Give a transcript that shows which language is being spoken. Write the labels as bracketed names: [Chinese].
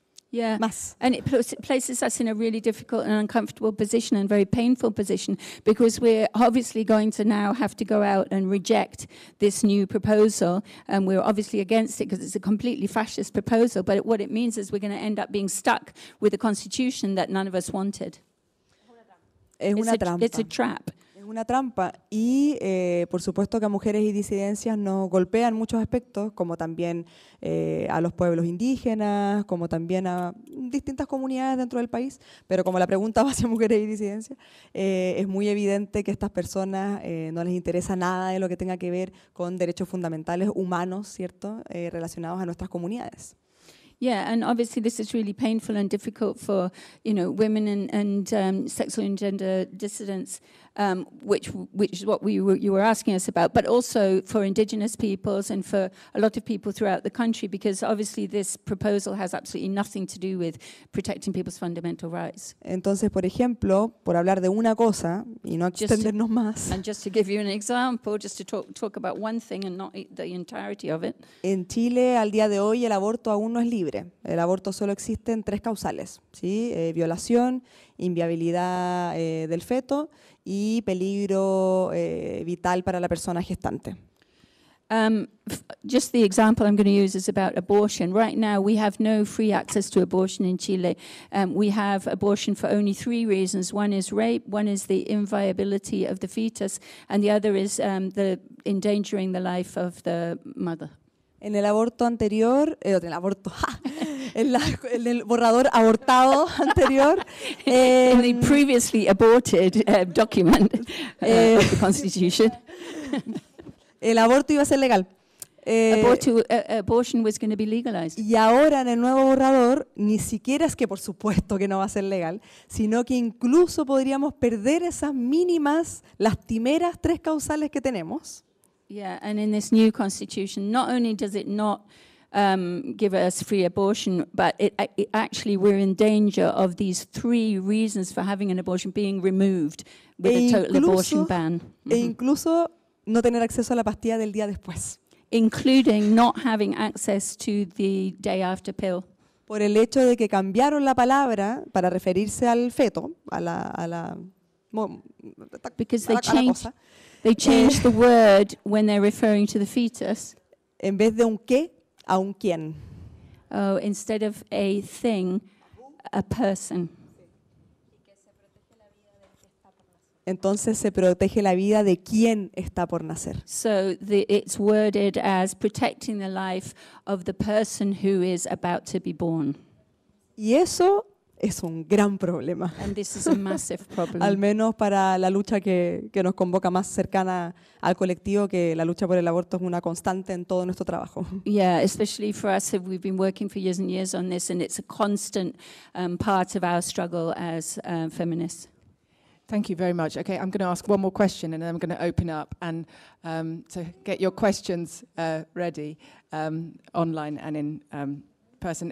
[English] Yeah. [Spanish] Más. [English] And it places us in a really difficult and uncomfortable position and very painful position, because we're obviously going to now have to go out and reject this new proposal, and we're obviously against it because it's a completely fascist proposal, but what it means is we're going to end up being stuck with a constitution that none of us wanted. [Spanish] Es una trampa. [English] It's a trap. [Spanish] Es una trampa, y por supuesto que a mujeres y disidencias nos golpean muchos aspectos, como también a los pueblos indígenas, como también a distintas comunidades dentro del país, pero como la pregunta va hacia mujeres y disidencias, es muy evidente que a estas personas no les interesa nada de lo que tenga que ver con derechos fundamentales humanos, ¿cierto?, relacionados a nuestras comunidades. [English] Yeah, and obviously this is really painful and difficult for, you know, women and sexual and gender dissidents, which is what you were asking us about, but also for indigenous peoples and for a lot of people throughout the country, because obviously this proposal has absolutely nothing to do with protecting people's fundamental rights. [Spanish] Entonces, por ejemplo, por hablar de una cosa y no extendernos más. [English] And just to give you an example, just to talk about one thing and not the entirety of it. [Spanish] En Chile, al día de hoy, el aborto aún no es libre. El aborto solo existe en tres causales, ¿sí? Violación, inviabilidad del feto y peligro vital para la persona gestante. [English] Just the example I'm going to use is about abortion. Right now we have no free access to abortion in Chile. We have abortion for only three reasons. One is rape, one is the inviability of the fetus, and the other is the endangering the life of the mother. [Spanish] En el aborto anterior, en el aborto, ja, en el borrador abortado anterior, [English] in the previously aborted document of the constitution, [Spanish] el aborto iba a ser legal. [English] Abortion was going to be legalized. [Spanish] Y ahora en el nuevo borrador, ni siquiera es que por supuesto que no va a ser legal, sino que incluso podríamos perder esas mínimas, lastimeras tres causales que tenemos. [English] Yeah, and in this new constitution, not only does it not give us free abortion, but it actually we're in danger of these three reasons for having an abortion being removed with [Spanish] incluso, [English] a total abortion ban. [Spanish] Mm-hmm. E incluso no tener acceso a la pastilla del día después. [English] Including not having access to the day after pill. [Spanish] Por el hecho de que cambiaron la palabra para referirse al feto, a la bueno, [English] because they changed. They change the word when they're referring to the fetus. [Spanish] En vez de un qué, a un quién. [English] Oh, instead of a thing, a person. [Spanish] Entonces se protege la vida de quién está por nacer. [English] So it's worded as protecting the life of the person who is about to be born. [Spanish] Y eso es un gran problema. [English] And this is a massive problem. [Spanish] Al menos para la lucha que nos convoca más cercana al colectivo, que la lucha por el aborto es una constante en todo nuestro trabajo. [English] Yeah, especially for us, if we've been working for years and years on this, and it's a constant part of our struggle as feminists. Thank you very much. Okay, I'm going to ask one more question, and then I'm going to open up and to get your questions ready online and in person.